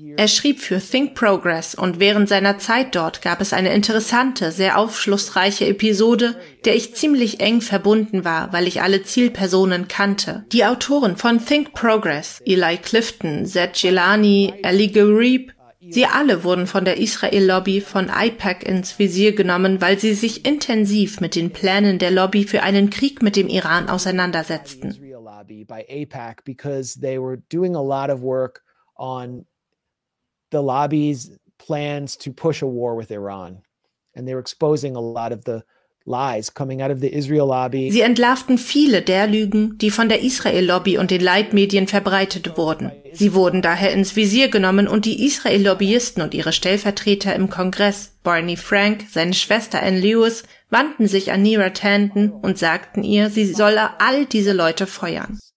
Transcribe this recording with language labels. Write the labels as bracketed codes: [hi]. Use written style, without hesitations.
[de] Er schrieb für Think Progress und während seiner Zeit dort gab es eine interessante, sehr aufschlussreiche Episode, der ich ziemlich eng verbunden war, weil ich alle Zielpersonen kannte. Die Autoren von Think Progress, Eli Clifton, Zed Gilani, Eli Gareeb, sie alle wurden von der Israel-Lobby von AIPAC ins Visier genommen, weil sie sich intensiv mit den Plänen der Lobby für einen Krieg mit dem Iran auseinandersetzten. [en] By AIPAC because they were doing a lot of work on the lobby's plans to push a war with Iran and they were exposing a lot of the lies coming out of the Israel lobby. [de] Sie entlarvten viele der Lügen, die von der Israel-Lobby und den Leitmedien verbreitet wurden. Sie wurden daher ins Visier genommen und die Israel-Lobbyisten und ihre Stellvertreter im Kongress, Barney Frank, seine Schwester Ann Lewis, wandten sich an Nera Tandon und sagten ihr, sie solle all diese Leute feuern.